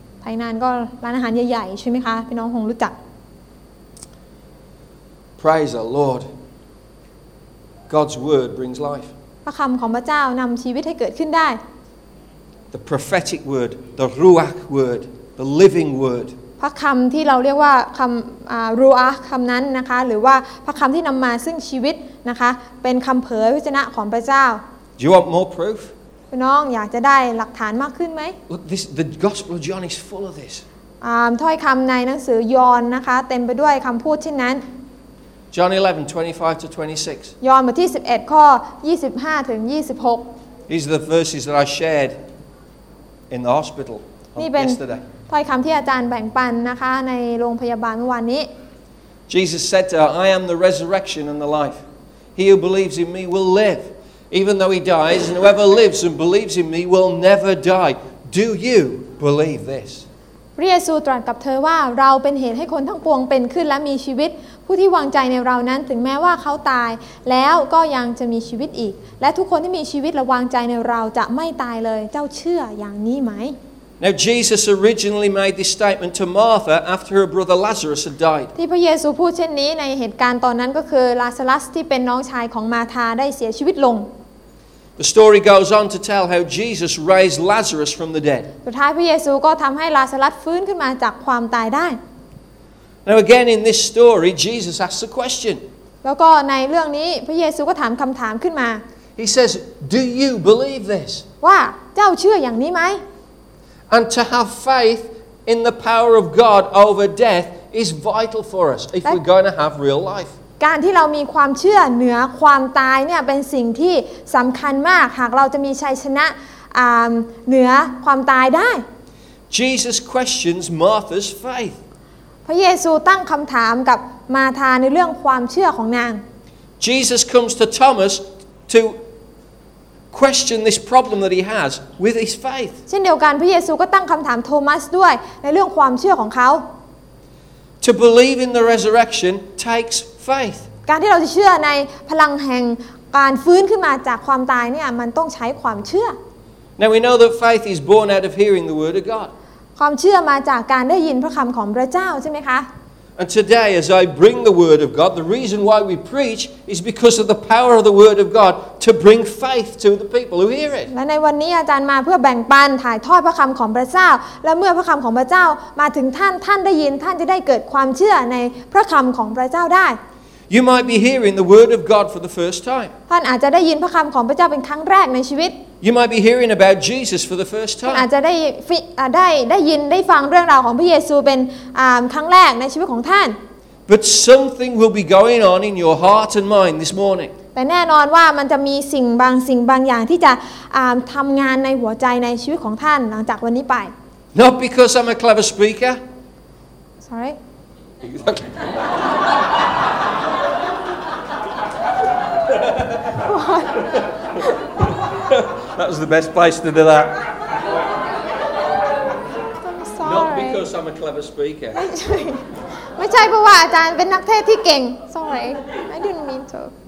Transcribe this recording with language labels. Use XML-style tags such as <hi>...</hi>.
<th>Tainan ก็ร้านอาหารใหญ่ๆใช่ไหมคะพี่น้องคงรู้จัก</th> <en>Praise the Lord. God's word brings life.</en> <th>พระคำของพระเจ้านำชีวิตให้เกิดขึ้นได้</th> <en>The prophetic word, the Ruach word, the living word.</en> <th>พระคำที่เราเรียกว่าคำรูอาคำนั้นนะคะหรือว่าพระคำที่นำมาซึ่งชีวิตนะคะเป็นคำเผยพระวจนะของพระเจ้า</th> <en>Do you want more proof?</en> <th>พี่น้องอยากจะได้หลักฐานมากขึ้นไหม</th> <en>Look, this, the Gospel of John is full of this.</en> <th>ถ้อยคำในหนังสือยอห์นนะคะเต็มไปด้วยคำพูดเช่นนั้น</th> <en>John 11:25-26.</en> <th>ยอห์นบทที่11ข้อ25ถึง26</th> <en>These are the verses that I shared in the hospital yesterday.</en> <th>ถ้อยคำที่อาจารย์แบ่งปันนะคะในโรงพยาบาลเมื่อวานนี้</th> <en>Jesus said to her, I am the resurrection and the life. He who believes in me will live, even though he dies, and whoever lives and believes in me will never die. Do you believe this?</en> <th>พระเยซูตรัสกับเธอว่าเราเป็นเหตุให้คนทั้งปวงเป็นขึ้นและมีชีวิตผู้ที่วางใจในเรานั้นถึงแม้ว่าเขาตายแล้วก็ยังจะมีชีวิตอีกและทุกคนที่มีชีวิตและวางใจในเราจะไม่ตายเลยเจ้าเชื่ออย่างนี้ไหม</th> <en>Now Jesus originally made this statement to Martha after her brother Lazarus had died.</en> <th>ที่พระเยซูพูดเช่นนี้ในเหตุการณ์ตอนนั้นก็คือลาซารัสที่เป็นน้องชายของมาธาได้เสียชีวิตลง</th> <en>The story goes on to tell how Jesus raised Lazarus from the dead.</en> <th>สุดท้ายพระเยซูก็ทำให้ลาซารัสฟื้นขึ้นมาจากความตายได้</th> <en>Now again in this story Jesus asks a question.</en> <th>แล้วก็ในเรื่องนี้พระเยซูก็ถามคำถามขึ้นมา</th> <en>He says, "Do you believe this?"</en> <th>ว่าเจ้าเชื่ออย่างนี้ไหม</th> <en>And to have faith in the power of God over death is vital for us if we're going to have real life.</en> <th>การที่เรามีความเชื่อเหนือความตายเนี่ยเป็นสิ่งที่สำคัญมากหากเราจะมีชัยชนะเหนือความตายได้</th> <en>Jesus questions Martha's faith.</en> <th>พระเยซูตั้งคำถามกับมาธาในเรื่องความเชื่อของนาง</th> <en>Jesus comes to Thomas toQuestion this problem that he has with his faith.</en> <th>เช่นเดียวกันพระเยซูก็ตั้งคำถามโทมัสด้วยในเรื่องความเชื่อของเขา</th> <en>To believe in the resurrection takes faith.</en> <th>การที่เราจะเชื่อในพลังแห่งการฟื้นขึ้นมาจากความตายเนี่ยมันต้องใช้ความเชื่อ</th> <en>Now we know that faith is born out of hearing the word of God.</en> <th>ความเชื่อมาจากการได้ยินพระคำของพระเจ้าใช่ไหมคะ</th> <en>And today, as I bring the word of God, the reason why we preach is because of the power of the word of God to bring faith to the people who hear it.</en> <th>และในวันนี้อาจารย์มาเพื่อแบ่งปันถ่ายทอดพระคำของพระเจ้าและเมื่อพระคำของพระเจ้ามาถึงท่านท่านได้ยินท่านจะได้เกิดความเชื่อในพระคำของพระเจ้าได้</th> <en>You might be hearing the word of God for the first time.</en> <th>ท่านอาจจะได้ยินพระคำของพระเจ้าเป็นครั้งแรกในชีวิต</th> <en>You might be hearing about Jesus for the first time.</en> <th>อาจจะได้ยินได้ฟังเรื่องราวของพระเยซูเป็นครั้งแรกในชีวิตของท่าน</th> <en>But something will be going on in your heart and mind this morning.</en> <th>แต่แน่นอนว่ามันจะมีสิ่งบางอย่างที่จะทำงานในหัวใจในชีวิตของท่านหลังจากวันนี้ไป</th> <en>Not because I'm a clever speaker. Sorry. That was the best place to do that. I'm sorry. Not because I'm a clever speaker.</en> <th>ไม่ใช่เพราะว่าอาจารย์เป็นนักเทศที่เก่ง</th> <en>Sorry, I didn't mean to.</en>